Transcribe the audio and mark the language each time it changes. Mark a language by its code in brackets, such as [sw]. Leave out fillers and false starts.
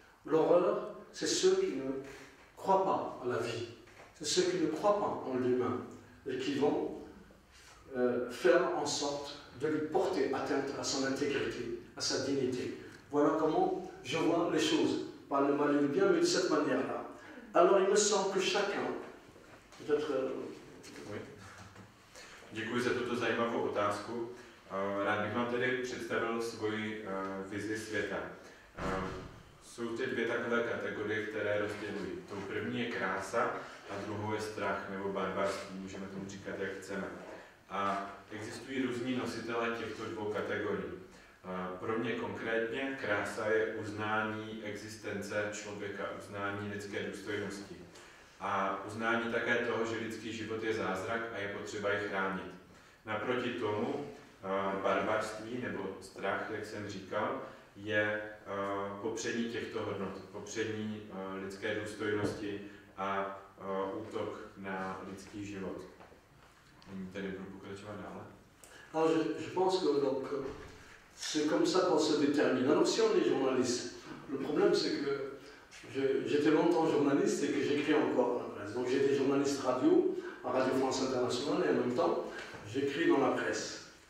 [fr] L'horreur, c'est ceux qui ne croient pas en la vie, c'est ceux qui ne croient pas en l'humain, et qui vont faire en sorte de lui porter atteinte à son intégrité, à sa dignité. Voilà comment je vois les choses, pas le mal et le bien, mais de cette manière-là. Alors, il me semble que chacun, peut-être... [cs] Děkuji za tuto zajímavou otázku. Rád bych vám tedy představil svoji vizi světa. Jsou ty dvě takové kategorie, které rozdělují. Tou první je krása a druhou je strach nebo barbarství, můžeme tomu říkat, jak chceme. A existují různí nositelé těchto dvou kategorií. Pro mě konkrétně krása je uznání existence člověka, uznání lidské důstojnosti. A uznání také toho, že lidský život je zázrak a je potřeba je chránit. Naproti tomu barbarství nebo strach, jak jsem říkal, je popření těchto hodnot, popření lidské důstojnosti a útok na lidský život. Nyní tedy budu pokračovat dále. [fr] Ale je pense que donc c'est comme ça qu'on se détermine. Alors si on est journaliste, le problème c'est que j'étais longtemps journaliste et que j'écris encore dans la presse. Donc j'étais journaliste radio, à Radio France Internationale, et en même temps, j'écris dans la presse.